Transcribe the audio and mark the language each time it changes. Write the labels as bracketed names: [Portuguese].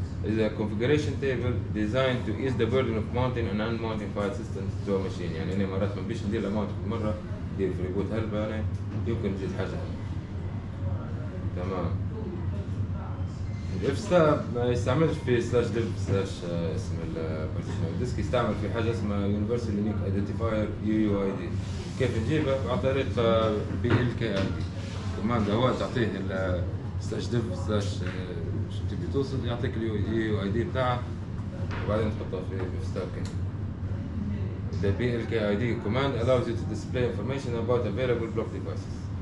[English] is a configuration table designed to ease the burden of mounting and unmounting file systems to a machine. [Arabic] يعني إني مرات ما بيش ندير الموت مرة دي في ريبوت هلبة أنا يمكن تجد حاجة. تمام. الفستاب ما يستعملش في سلاش ديف سلاش اسم البارتيشن ديسك, يستعمل في حاجة اسمها يونيفرسال يونيك ايدنتيفاير يو يو اي دي. كيف نجيبه؟ عن طريق بي ال كي اي دي كوماند, هو تعطيه ال سلاش ديف سلاش شو تبي توصل يعطيك اليو يو اي دي بتاعه وبعدين تحطه في الفستاب كده. [English] B L K I D command allows you to display information about available block devices.